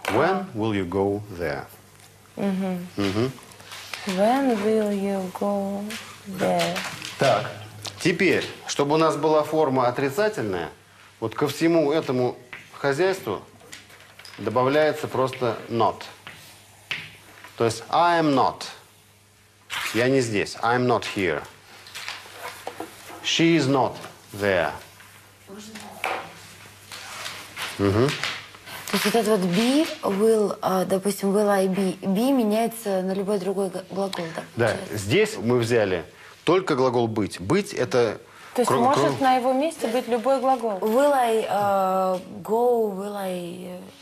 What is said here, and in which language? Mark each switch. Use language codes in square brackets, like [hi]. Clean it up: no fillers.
[en] When will you go there? Mm-hmm. Mm-hmm. When will you go there? [ru] Так. Теперь, чтобы у нас была форма отрицательная, вот ко всему этому хозяйству добавляется просто not. То есть [en] I am not. [ru] Я не здесь. [en] I am not here. She is not there. Угу. [ru] То есть вот этот вот be, will, допустим, will I be, be меняется на любой другой глагол, да? Да, получается? Здесь мы взяли только глагол быть. Быть – это… То есть может на его месте быть любой глагол? [en] Will I go, will I…